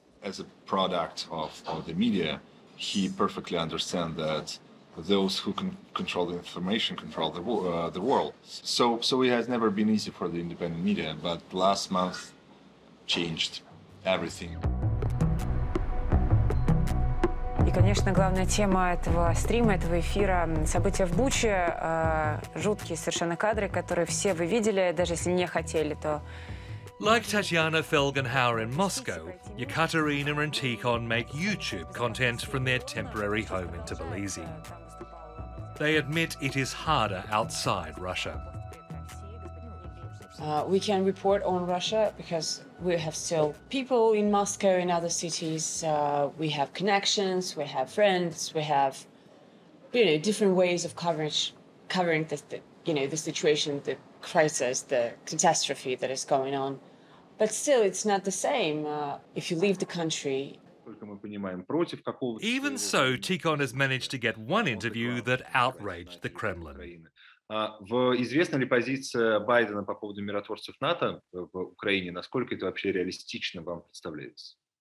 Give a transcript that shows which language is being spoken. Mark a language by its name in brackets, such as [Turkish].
[English] As a product of the media, he perfectly understands that those who can control the information control the world. So it has never been easy for the independent media, but last month changed everything. [Russian] Конечно, главная тема этого стрима, этого эфира – события в Буче. Жуткие совершенно кадры, которые все вы видели, даже если не хотели, то… [English] Like Tatiana Felgenhauer in Moscow, Ekaterina and Tikhon make YouTube content from their temporary home in Tbilisi. They admit it is harder outside Russia. We can report on Russia because we have still people in Moscow and other cities. We have connections, we have friends, we have, you know, different ways of covering the situation, the crisis, the catastrophe that is going on. But still, it's not the same if you leave the country. Even so, Tikhon has managed to get one interview that outraged the Kremlin. [Russian] Известна ли позиция Байдена по поводу миротворцев НАТО в Украине? Насколько это вообще реалистично вам представляется?